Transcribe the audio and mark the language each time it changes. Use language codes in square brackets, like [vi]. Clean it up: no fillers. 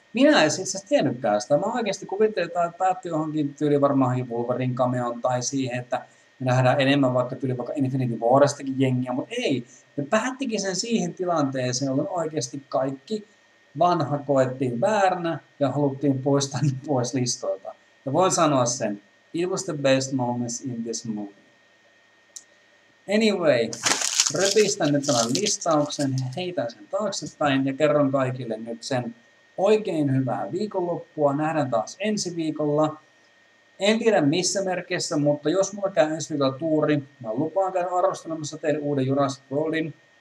[fi] Minä en itse asiassa tiennytkään sitä. Mä oikeasti kuvittelin, että tämä päättyy johonkin tyyli varmaan Wolverine cameoon tai siihen, että me nähdään enemmän vaikka tyyli vaikka Infinity Warstakin jengiä, mutta ei. Me päättikin sen siihen tilanteeseen, jolloin oikeasti kaikki vanha koettiin vääränä ja haluttiin poistaa ne pois listoilta. Ja voin sanoa sen, [en] it was the best moments in this movie. [fi] Anyway, röpistän nyt tämän listauksen, heitän sen taaksepäin ja kerron kaikille nyt sen oikein hyvää viikonloppua. Nähdään taas ensi viikolla. En tiedä missä merkeissä, mutta jos mulla käy ensi viikolla tuuri, mä lupaan käydä arvostelemassa teidän uuden Jurassic Worldin.